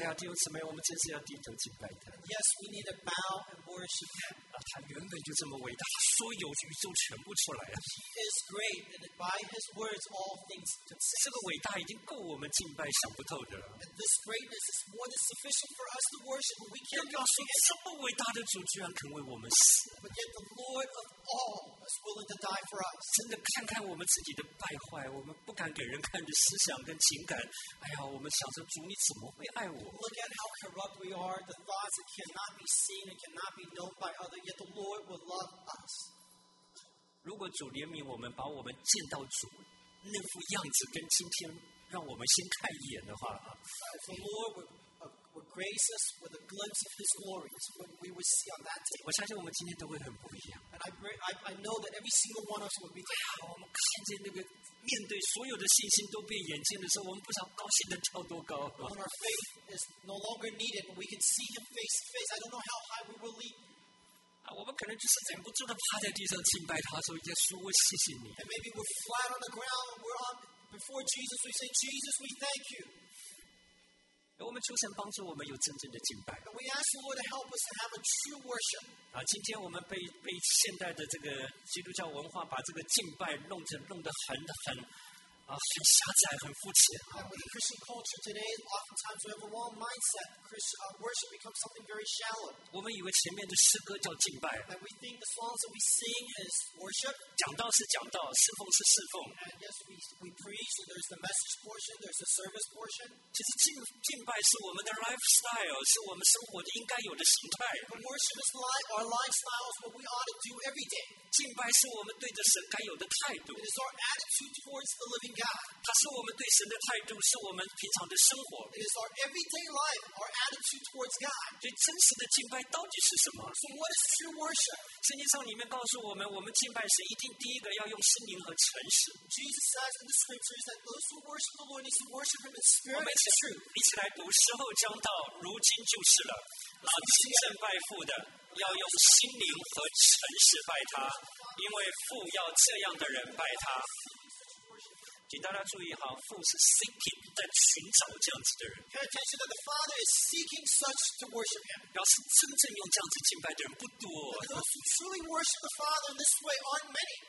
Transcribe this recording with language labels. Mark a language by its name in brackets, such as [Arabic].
[Chinese] 哎呀，弟兄姊妹，我们真是要低头敬拜他。 [English] Yes, we need to bow and worship him. [Chinese] 啊，他原本就这么伟大，所有宇宙全部出来了。 [English] He is great, and by his words, all things consist. [Chinese] 这个伟大已经够我们敬拜想不透的了。 [English] And this greatness is more than sufficient for us to worship. We can't comprehend. [Chinese] 这么伟大的主居然肯为我们死。 [English] But yet the Lord of all is willing to die for us. [Chinese] 真的看看我们自己的败坏，我们不敢给人看的思想跟情感，哎呀，我们想着主你怎么会爱我？ [English] Look at how corrupt we are, the thoughts that cannot be seen and cannot be known by others, yet the Lord will love us. [Chinese] 如果主怜悯我们，把我们见到主那副样子跟今天让我们先看一眼的话， [English] If the Lord would grace us with a glimpse of his glory, is what we would see on that day. [Chinese] 我相信我们今天都会很不一样。 [English] And I know that every single one of us would be there. [Chinese] 我们看见那个面对所有的信心都被眼见的时候，我们不知道高兴的跳多高。 [English] When our faith is no longer needed, we can see him face to face. I don't know how high we will leap. [Chinese] 我们可能就是忍不住的趴在地上敬拜他，说：“耶稣，我谢谢你。” [English] And maybe we're flat on the ground, we're on before Jesus. We say, "Jesus, we thank you." [Chinese] 我们求神帮助我们有真正的敬拜。 [English] We ask the Lord to help us to have a true worship. [Chinese] 啊，今天我们被现代的这个基督教文化把这个敬拜弄得很狭窄、很肤浅。 [English] With the Christian culture today, oftentimes we have a wrong mindset. Christian worship becomes something very shallow. [Chinese] 我们以为前面的诗歌叫敬拜。 [English] And we think the songs that we sing is worship. [Chinese] 讲道是讲道，侍奉是侍奉。 [English] And yes, we preach. There's the message portion. There's the service portion. [Chinese] 其实敬拜是我们的 lifestyle， 是我们生活的应该有的形态。 [English] But worship is like our lifestyle is what we ought to do every day. [Chinese] 敬拜是我们对着神该有的态度。 [English] It is our attitude towards the living God. [Chinese] 它是我们对神的态度，是我们平常的生活。 [English] It is our everyday life, our attitude towards God. [Chinese] 所以真实的敬拜到底是什么？ [English] So what is true worship? [Chinese] 圣经上里面告诉我们，我们敬拜神一定第一个要用心灵和诚实。 [English] Jesus says in the scriptures that those who worship the Lord need to worship Him in spirit and truth. [Chinese] 一起来读，时候将到，如今就是了。那真正拜父的，要用心灵和诚实拜他，因为父要这样的人拜他。请大家注意哈，父是 seeking， 在寻找这样子的人。 [English] Pay attention that the Father is seeking such to worship Him. [Chinese] 表示真正用这样子敬拜的人不多。 [English] Those who truly worship the Father in this way aren't many.